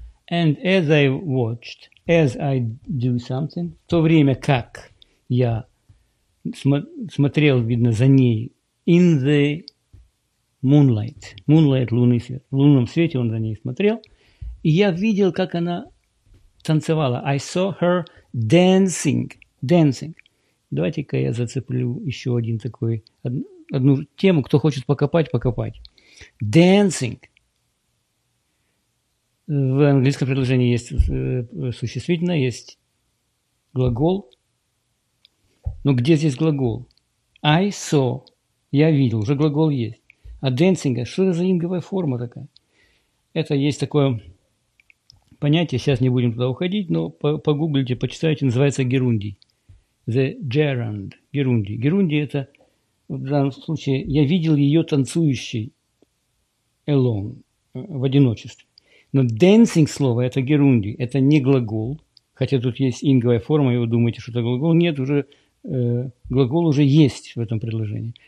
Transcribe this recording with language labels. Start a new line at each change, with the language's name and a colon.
English: And as I watched, as I do something,
Russian: в то время как я смотрел, видно, за ней,
English: in the moonlight, moonlight,
Russian: лунный свет, в лунном свете он за ней смотрел, и я видел, как она танцевала.
English: I saw her dancing, dancing.
Russian: Давайте-ка я зацеплю еще один такой, одну тему, кто хочет покопать, покопать.
English: Dancing.
Russian: В английском предложении есть существительное, есть глагол. Но где здесь глагол?
English: I saw.
Russian: Я видел, уже глагол есть. А dancing, что это за инговая форма такая? Это есть такое понятие, сейчас не будем туда уходить, но погуглите, почитайте, называется герундий.
English: The gerund, герундий.
Russian: Герундий – это в данном случае я видел ее танцующей alone, в одиночестве. Но dancing слово – это герунди, это не глагол. Хотя тут есть инговая форма, и вы думаете, что это глагол. Нет, уже глагол уже есть в этом предложении.